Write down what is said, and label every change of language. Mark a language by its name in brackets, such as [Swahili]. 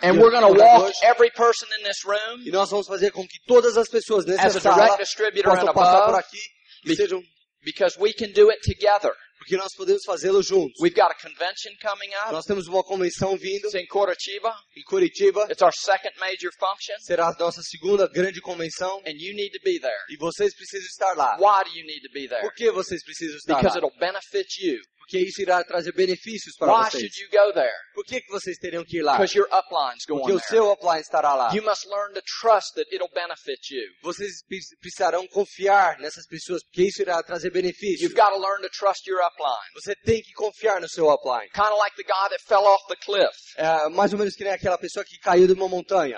[English] And we're gonna walk every person in this room. [Portuguese] E nós vamos fazer com que todas as pessoas nessa [English] as [Portuguese] sala [English] a direct distributor [Portuguese] possam passar por aqui. [English] Because we can do it together. [Portuguese] Porque nós podemos fazê-lo juntos. [English] We've got a convention coming up. [Portuguese] Nós temos uma convenção vindo. [English] It's in Curitiba. [Portuguese] Em Curitiba. [English] It's our second major function. [Portuguese] Será a nossa segunda grande convenção. [English] And you need to be there. [Portuguese] E vocês precisam estar lá. [English] Why do you need to be there? [Portuguese] Por que vocês precisam estar [English] Because [Portuguese] lá? [English] It'll benefit you. [Portuguese] porque isso irá trazer benefícios para vocês. [English] Why should you go there? [Portuguese] Por que que vocês teriam que ir lá? [English] Because your upline's going there. [Portuguese] Porque o seu upline estará lá. [English] You must learn to trust that it'll benefit you. [Portuguese] Vocês precisarão confiar nessas pessoas porque isso irá trazer benefícios. [English] You've got to learn to trust your upline. [Portuguese] Você tem que confiar no seu upline. [English] Kind of like the guy that fell off the cliff. [Portuguese] É, mais ou menos que nem aquela pessoa que caiu de uma montanha.